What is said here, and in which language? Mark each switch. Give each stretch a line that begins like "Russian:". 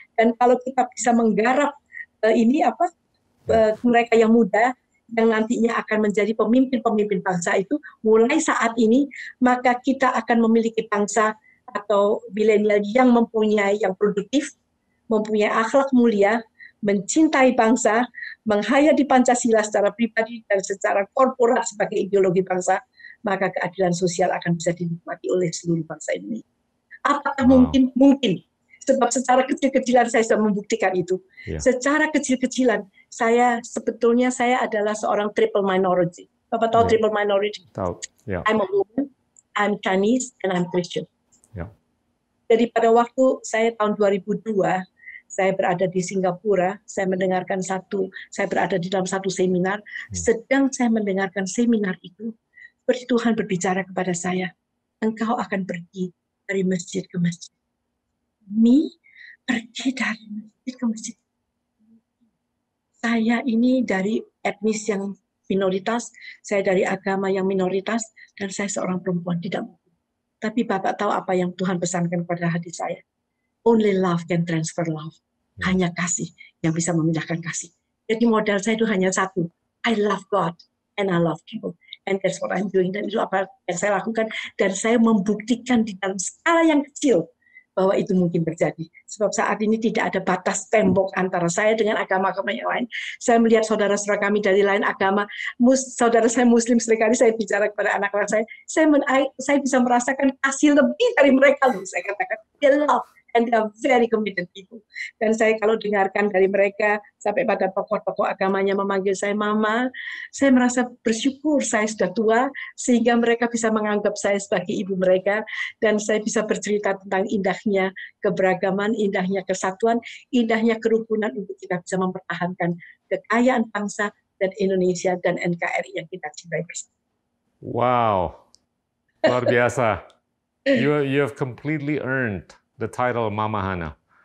Indonesian: Dan kalau kita bisa menggarap ini apa mereka yang muda, yang nantinya akan menjadi pemimpin-pemimpin bangsa itu mulai saat ini, maka kita akan memiliki bangsa atau milenial yang mempunyai yang produktif, mempunyai akhlak mulia, mencintai bangsa, menghayati Pancasila secara pribadi dan secara korporat sebagai ideologi bangsa, maka keadilan sosial akan bisa dinikmati oleh seluruh bangsa ini. Apakah mungkin? Mungkin. Sebab secara kecil-kecilan saya sudah membuktikan itu. Ya. Secara kecil-kecilan, saya sebetulnya saya adalah seorang triple minority. Bapak tahu triple minority? Tahu. Ya.
English: I'm a woman, I'm Chinese, and I'm Christian.
Indonesian: Ya. Jadi pada waktu saya tahun 2002, saya berada di Singapura, saya berada di dalam satu seminar, sedang saya mendengarkan seminar itu, seperti Tuhan berbicara kepada saya, engkau akan pergi dari masjid ke masjid. Ini pergi dari masjid ke masjid. Saya ini dari etnis yang minoritas, saya dari agama yang minoritas, dan saya seorang perempuan tidak mungkin. Tapi Bapak tahu apa yang Tuhan pesankan pada hati saya?
English: Only love can transfer love.
Indonesian: Hanya kasih yang bisa memindahkan kasih. Jadi modal saya itu hanya satu.
English: I love God and I love people. And that's what I'm doing.
Indonesian: Dan itu apa yang saya lakukan. Dan saya membuktikan di dalam skala yang kecil bahwa itu mungkin terjadi. Sebab saat ini tidak ada batas tembok antara saya dengan agama-agama yang lain. Saya melihat saudara-saudara kami dari lain agama, saudara saya Muslim, seringkali saya bicara kepada anak-anak saya bisa merasakan kasih lebih dari mereka. Saya katakan,
English: they love and they are very committed people.
Indonesian: Dan saya kalau dengarkan dari mereka, sampai pada tokoh-tokoh agamanya memanggil saya mama, saya merasa bersyukur saya sudah tua, sehingga mereka bisa menganggap saya sebagai ibu mereka, dan saya bisa bercerita tentang indahnya keberagaman, indahnya kesatuan, indahnya kerukunan untuk kita bisa mempertahankan kekayaan bangsa dan Indonesia dan NKRI yang kita cintai bersama. Wow, luar biasa.
English: You have completely earned the title Mama Hana.